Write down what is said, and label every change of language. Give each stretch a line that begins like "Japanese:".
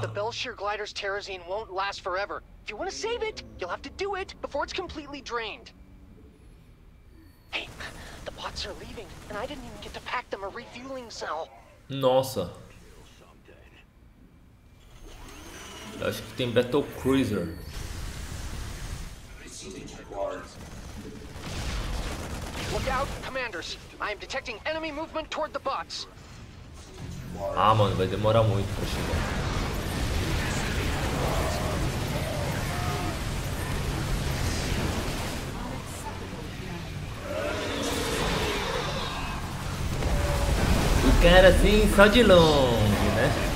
English: The Belshir glider's terrazine won't last forever. If you want to save it, you'll have to do it before it's completely drained. Hey, the bots are leaving, and I didn't even get to pack them a refueling cell.
Portuguese: Nossa. Eu acho que tem Battle Cruiser.
English: Look out, commanders. I am detecting enemy movement toward the bots.
Portuguese: Ah, mano, vai demorar muito pra chegar. Era assim só de longe, né?